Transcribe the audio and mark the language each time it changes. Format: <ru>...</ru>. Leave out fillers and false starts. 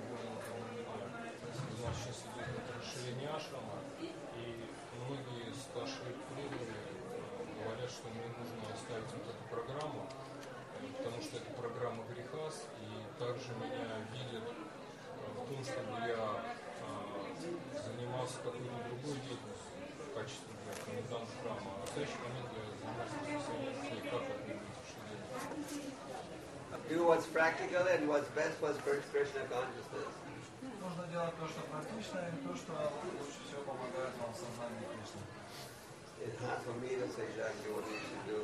<ru>У нас сейчас идет расширение ашрама, и многие старшие преданные говорят, что мне нужно оставить вот эту программу, потому что это программа Грихас, и также меня видят в том, чтобы я занимался какой-то другой деятельностью в качестве комендант храма. А в следующий момент я занимался как это будет, что делать.</ru> <en>Do what's practical and what's best for spiritual Krishna consciousness.</en> <ru>Нужно делать то, что практично, и то, что лучше всего помогает вам в сознании Кришны.</ru> <en>It's hard for me to say exactly what you should do.</en>